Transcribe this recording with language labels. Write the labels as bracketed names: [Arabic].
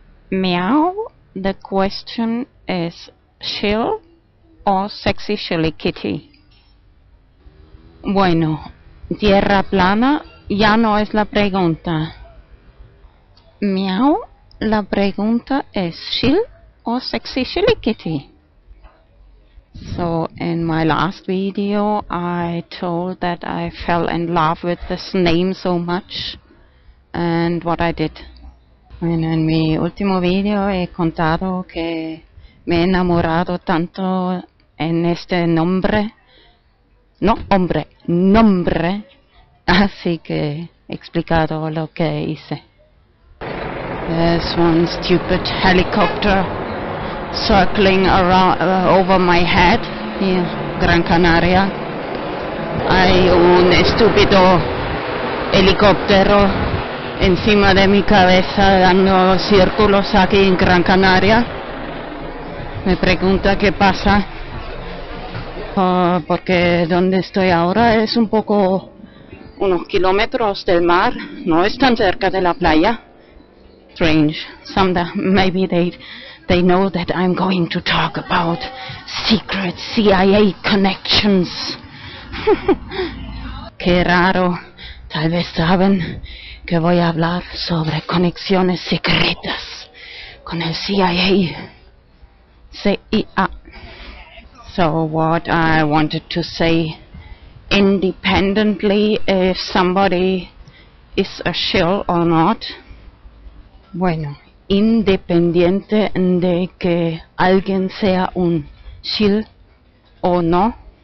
[English] Meow, the question is Shill or Sexy Shilly Kitty. [Spanish] Bueno, Tierra plana ya no es la pregunta. Meow, la pregunta es Shill or Sexy Shilly Kitty. [English] So, in my last video, I told that I fell in love with this name so much and what I did. [Spanish] Bueno, en mi último video he contado que me he enamorado tanto en este nombre. No, hombre, nombre. Así que he explicado lo que hice. [English] There's one stupid helicopter circling around over my head. Yeah. Gran Canaria. [Spanish] Hay un estúpido helicóptero encima de mi cabeza dando círculos aquí en Gran Canaria. Me pregunta qué pasa. Porque donde estoy ahora es un poco unos kilómetros del mar, no es tan cerca de la playa. [English] Strange. Maybe they know that I'm going to talk about secret CIA connections. [Spanish] Qué raro. Tal vez saben que voy a hablar sobre conexiones secretas con el CIA. [English] CIA. So what I wanted to say independently if somebody is a shill or not. [Spanish] Bueno, independiente de que alguien sea un shill o no.